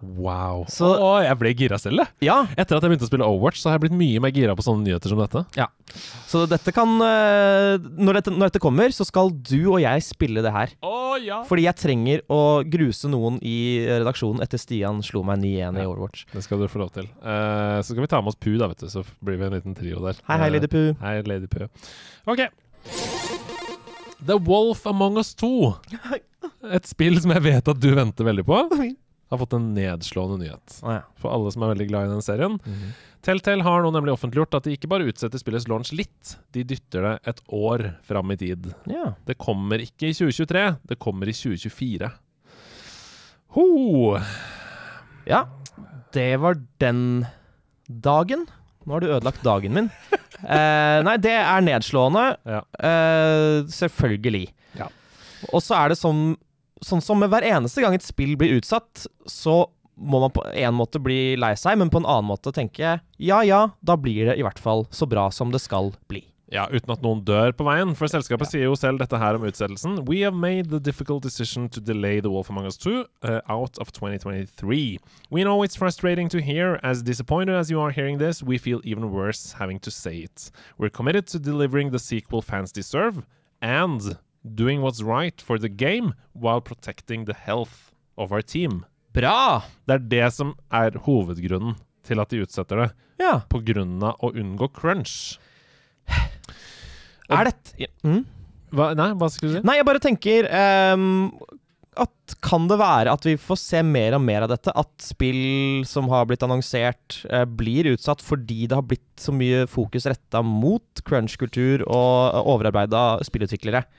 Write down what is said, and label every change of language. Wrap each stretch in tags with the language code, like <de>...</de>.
<no>Wow. Og jeg ble gira selv. Ja. Etter at jeg begynte å spille Overwatch, så har jeg blitt mye mer gira på sånne nyheter som dette. Ja. Så dette kan... Når dette kommer, så skal du og jeg spille det her. Ja. Fordi jeg trenger å gruse noen i redaksjonen etter Stian slo meg 9-1 i Overwatch. Det skal du få lov til. Så skal vi ta med oss Poo da, vet du. Så blir vi en liten trio der. Hei, Lady Poo. Hei, Lady Poo. Ok. The Wolf Among Us 2. Et spill som jeg vet at du venter veldig på. Har fått en nedslående nyhet. For alle som veldig glad i den serien. Mm-hmm. Telltale har nå nemlig offentliggjort at de ikke bare utsetter spillets launch litt. De dytter det et år fram i tid. Ja. Det kommer ikke i 2023. Det kommer i 2024. Ho! Ja, det var den dagen. Nå har du ødelagt dagen min. Nei, det nedslående. Ja. Selvfølgelig. Ja. Og så det sånn som med hver eneste gang et spill blir utsatt, så må man på en måte bli lei seg, men på en annen måte tenke, ja, da blir det i hvert fall så bra som det skal bli. Ja, uten at noen dør på veien, for selskapet sier jo selv dette her om utsettelsen.</no> <en>We have made the difficult decision to delay The Wolf Among Us 2 out of 2023. We know it's frustrating to hear. As disappointed as you are hearing this, we feel even worse having to say it. We're committed to delivering the sequel fans deserve, and doing what's right for the game while protecting the health of our team.</en> <no>Bra! Det det som hovedgrunnen til at de utsetter det. Ja. På grunn av å unngå crunch. Og, dette... Hva skulle du si? Nei, jeg bare tenker... at kan det være at vi får se mer og mer av dette? At spill som har blitt annonsert blir utsatt fordi det har blitt så mye fokus rettet mot crunch-kultur og overarbeidet spillutviklere?</no>